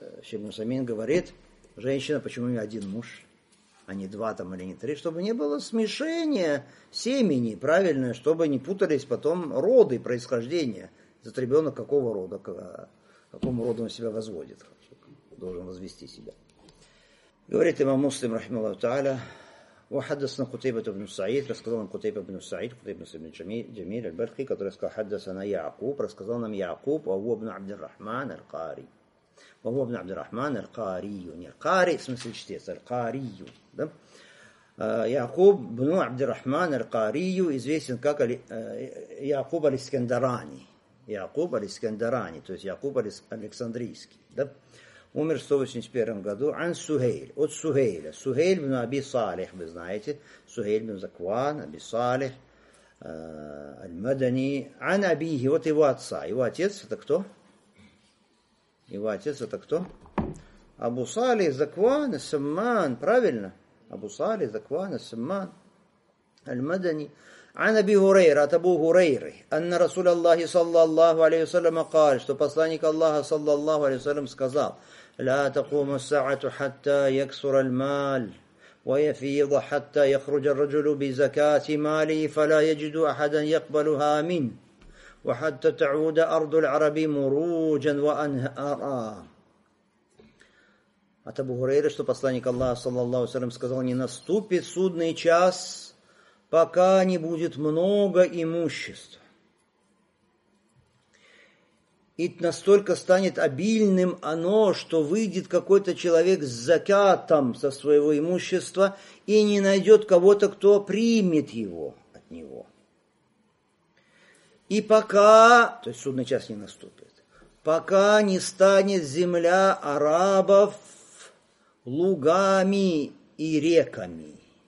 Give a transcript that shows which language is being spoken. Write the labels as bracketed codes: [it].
[ru] Ибн Усаймин говорит, женщина, почему не один муж, а не два там или не три, чтобы не было смешения семени, правильно, чтобы не путались потом роды, происхождение, этот ребенок какого рода, какому роду он себя возводит, должен возвести себя. Говорит имам Муслим, рахмаллаху та'аля, [ar] وحدثنا قتيبة بن سعيد [ru] рассказал нам [ar] قتيبة بن سعيد قتيبة بن جميل البلخي [ru] который сказал [ar] حدثنا يعقوب рассказал нам يعقوب وهو ابن عبد الرحمن القاري وهو ابن عبد الرحمن القاري [ru] не القاري в смысле чтец القاري да [ar] يعقوب بن عبد الرحمن القاري [ru] известен как [ar] يعقوب الاسكندراني يعقوب الاسكندراني [ru] то есть يعقوب الاسكندريский да Умер в 181 году Ан Сухейль, от Сухейля. Сухейль бин Аби Салих, вы знаете. Сухейль бин Закван, Аби Салих, Аль-Мадани. Ан Абихи, вот его отца. Его отец это кто? Его отец это кто? Абу Салих, Закван, Самман, правильно? Абу Салих, Закван, Самман, Аль-Мадани. [ar] عن أبي هريرة أبو هريرة أن رسول الله صلى الله عليه وسلم قال [ru] что посланник Аллаха [ar] صلى الله عليه وسلم [ru] сказал [ar] لا تقوم الساعة حتى يكسر المال ويفيض حتى يخرج الرجل بزكاة ماله فلا يجد أحدا يقبلها منه وحتى تعود أرض العرب مروجا وأنهارا [ru] от Абу Хурейры что посланник Аллаха صلى الله عليه وسلم сказал не наступит судный час пока не будет много имущества. И настолько станет обильным оно, что выйдет какой-то человек с закятом со своего имущества и не найдет кого-то, кто примет его от него. И пока, то есть судный час не наступит, пока не станет земля арабов лугами и реками.